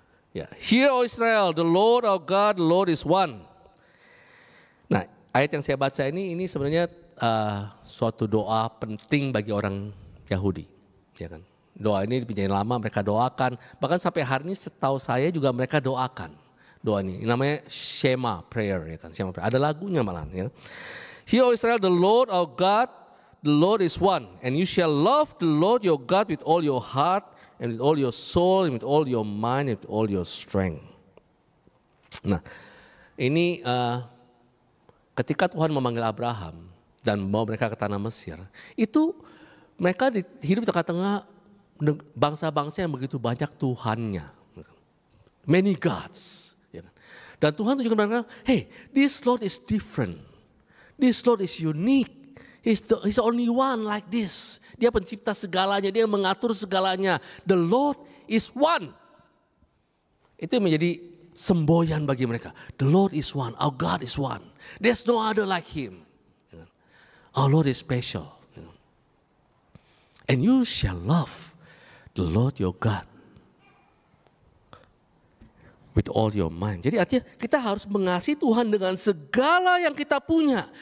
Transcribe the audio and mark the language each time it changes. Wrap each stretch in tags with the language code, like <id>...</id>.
<en>Ya, "Hear, O Israel, the Lord our God, the Lord is one."</en> <id>Nah, ayat yang saya baca ini sebenarnya suatu doa penting bagi orang Yahudi, ya kan? Doa ini dipinjain lama, mereka doakan. Bahkan sampai hari ini setahu saya juga mereka doakan doa ini. Namanya Shema Prayer, ya kan? Shema Prayer. Ada lagunya malahan. Ya.</id> <en>"Hear, O Israel, the Lord our God, the Lord is one. And you shall love the Lord your God with all your heart, and with all your soul, and with all your mind, and with all your strength."</en> <id>Nah, ini ketika Tuhan memanggil Abraham dan membawa mereka ke tanah Mesir, itu mereka hidup di tengah-tengah bangsa-bangsa yang begitu banyak Tuhannya.</id> <en>Many gods.</en> <id>Dan Tuhan tunjukkan mereka,</id> <en>hey, this Lord is different. This Lord is unique. He's the only one like this.</en> <id>Dia pencipta segalanya, dia yang mengatur segalanya.</id> <en>The Lord is one.</en> <id>Itu menjadi semboyan bagi mereka.</id> <en>The Lord is one. Our God is one. There's no other like him. Our Lord is special. And you shall love the Lord your God with all your mind.</en> <id>Jadi artinya kita harus mengasihi Tuhan dengan segala yang kita punya.</id>